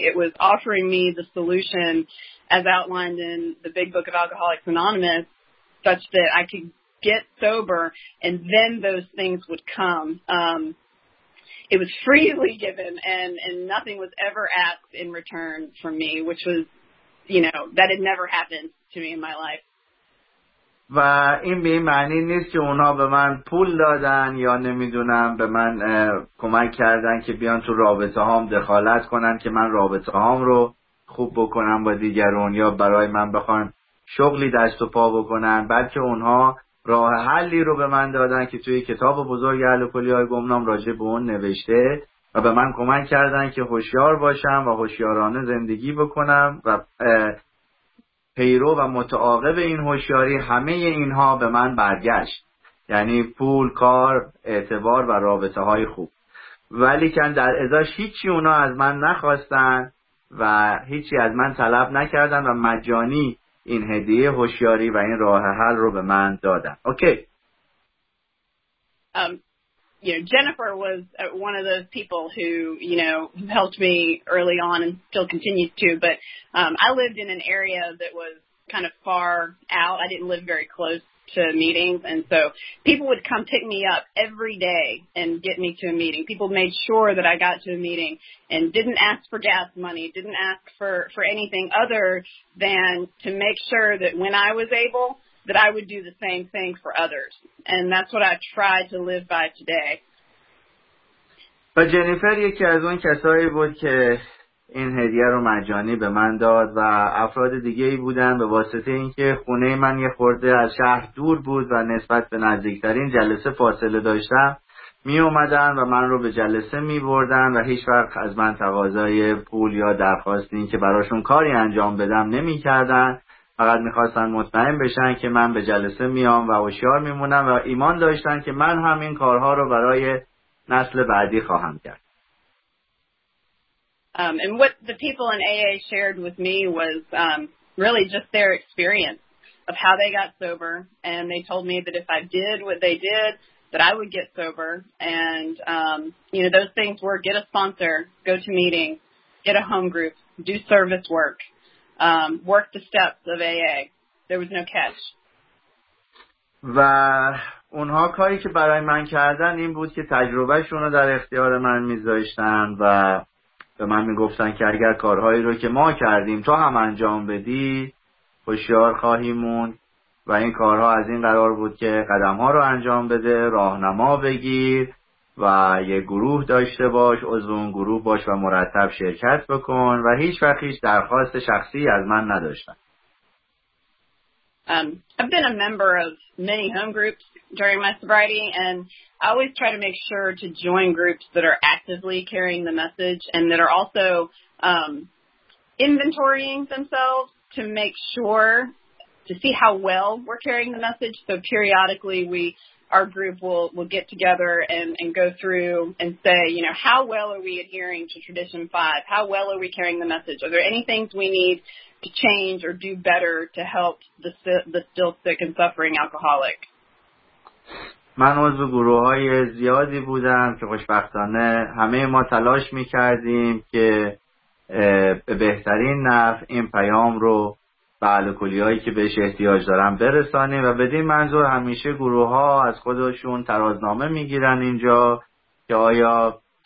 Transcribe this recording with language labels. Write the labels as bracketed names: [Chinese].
[English] It was offering me the solution as outlined in the Big Book of Alcoholics Anonymous such that I could get sober and then those things would come. It was freely given and nothing was ever asked in return from me, which was, you know, that had never happened to me in my life. [Persian] و این به این معنی نیست که اونا به من پول دادن یا نمیدونم به من کمک کردن که بیان تو رابطه هام دخالت کنن که من رابطه هام رو خوب بکنم با دیگرون یا برای من بخوان شغلی دست و پا بکنن، بلکه اونها راه حلی رو به من دادن که توی کتاب بزرگ الکلی‌های گمنام راجع به اون نوشته و به من کمک کردن که هوشیار باشم و هوشیارانه زندگی بکنم و پیرو و متعاقب این هوشیاری همه اینها به من برگشت. یعنی پول، کار، اعتبار و رابطه های خوب. ولی که در ازاش هیچی اونا از من نخواستن و هیچی از من طلب نکردن و مجانی این هدیه هوشیاری و این راه حل رو به من دادن. [English] Okay. You know, Jennifer was one of those people who, you know, helped me early on and still continues to, but I lived in an area that was kind of far out. I didn't live very close to meetings, and so people would come pick me up every day and get me to a meeting. People made sure that I got to a meeting and didn't ask for gas money, didn't ask for anything other than to make sure that when I was able, that I would do the same thing for others. And that's what I try to live by today. [Persian] و جنیفر یکی از اون کسایی بود که این هدیه رو مجانی به من داد و افراد دیگه ای بودن به واسطه اینکه خونه من یه خورده از شهر دور بود و نسبت به نزدیکترین جلسه فاصله داشتم، می اومدن و من رو به جلسه می بردن و هیچ وقت از من تقاضای پول یا درخواست این که براشون کاری انجام بدم نمی کردن. فقط می‌خواستن مطمئن بشن که من به جلسه میام و هوشیار میمونم و ایمان داشتن که من هم این کارها رو برای نسل بعدی خواهم کرد. [English] And what the people in AA shared with me was really just their experience of how they got sober, and they told me that if I did what they did, that I would get sober. And you know, those things were get a sponsor, go to meeting, get a home group, do service work. Work the steps of AA. There was no catch. [Persian] و اونها کاری که برای من کردن این بود که تجربهشون رو در اختیار من میذاشتن و به من میگفتن که اگر کارهایی رو که ما کردیم تو هم انجام بدی هوشیار خواهی موند و این کارها از این قرار بود که قدمها رو انجام بده، راهنما بگیر و یه گروه داشته باش، عضو اون گروه باش و مرتب شرکت بکن و هیچ وقت هیچ درخواست شخصی از من نداشتن. [English] I've been a member of many home groups during my sobriety, and I always try to make sure to join groups that are actively carrying the message and that are also inventorying themselves to make sure to see how well we're carrying the message. So periodically our group will get together and go through and say, you know, how well are we adhering to Tradition 5? How well are we carrying the message? Are there any things we need to change or do better to help the still sick and suffering alcoholic? [Persian] من عضو گروه های زیادی بودم که خوشبختانه همه ما تلاش می کردیم که بهترین نفع این پیام رو به الکلی‌هایی که بهش احتیاج دارن برسانیم و بدین منظور همیشه گروه‌ها از خودشون ترازنامه می‌گیرن اینجا که آیا